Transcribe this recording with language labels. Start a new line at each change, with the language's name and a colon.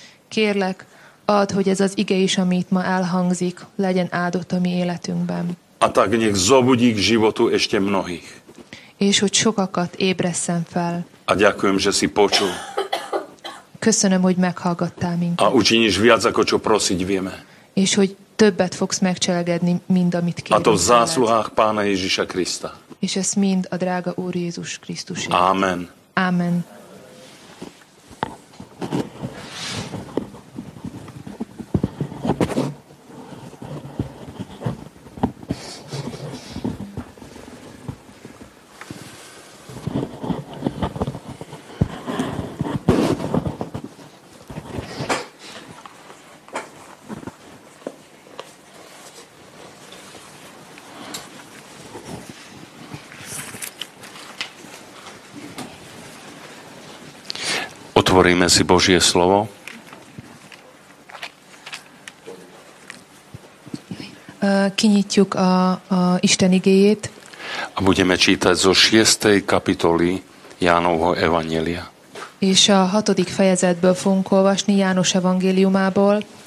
Hungarian: Kérlek, add, hogy ez az ige is, amit ma elhangzik, legyen áldott a mi életünkben.
Slovak: A tak nech zobudí k životu ešte mnohých.
Hungarian: És hogy sokakat ébresszem fel.
Slovak: A ďakujem, že si počul.
Hungarian: Köszönöm, hogy meghallgattál minket.
Slovak: A učiníš viac, ako čo prosiť vieme.
Hungarian: És hogy többet fogsz megcselekedni, mint amit kérünk.
Slovak: A to v zásluhách Pána Ježiša Krista.
Hungarian: És ezt mind a drága Úr Jézus Krisztusért.
Slovak: Amen.
Hungarian: Amen.
Slovak: Otvoríme si Božie slovo.
Hungarian: Kinyitjuk a Isten igéjét.
Slovak: A budeme čítať zo 6. kapitoly Jánovho evanjelia.
Hungarian: És a 6. fejezetből fogunk olvasni János evangéliumából.